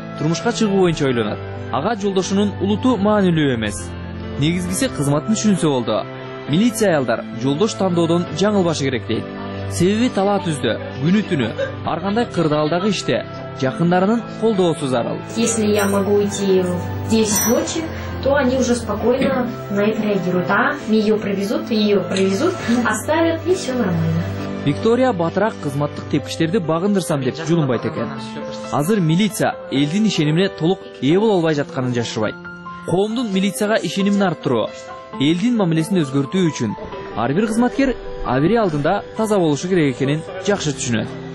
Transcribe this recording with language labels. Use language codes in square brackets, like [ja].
[ky] Турмушка чыгуу боюнча ойлонот. Ага жолдошунун улуту маанилүү эмес. Негизгиси кызматын түшүнсө болду. Милиция аялдар жолдош тандоодон жаңылбашы керек дейт. Себеби талаа түздө, күнү түнү, ар кандай кырдаалдагы иште жакындарынын колдоосу зарыл. [ru] Если я могу уйти в 10 ночи, то они уже спокойно на это реагируют. А, ее привезут, оставят, и все нормально. [ky] Виктория батырак кызматтык тепкичтерди багындырсам деп жулунбайт экен. Азыр милиция элдин ишенимине толук ээ боло албай жатканын жашырбайт. Коомдун милицияга ишенимин арттыруу, элдин мамилесин өзгөртүү үчүн ар бир кызматкер абири алдында таза болушу керек экенин жакшы түшүнөт.